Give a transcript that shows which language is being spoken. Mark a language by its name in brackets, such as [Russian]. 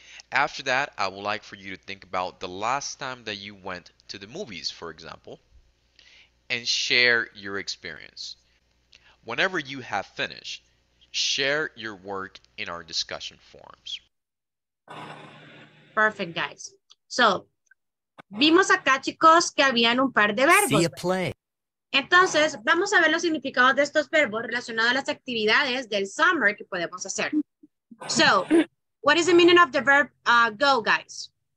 [English] After that, I would like for you to think about the last time that you went to the movies, for example, and share your experience. Whenever you have finished, share your work in our discussion forums. Perfect, guys. [Spanish] So, vimos acá, chicos, que habían un par de verbos. [English] See a play. [Spanish] Entonces, vamos a ver los significados de estos verbos relacionados a las actividades del summer que podemos hacer. [English] So, what is the meaning of the verb go, guys?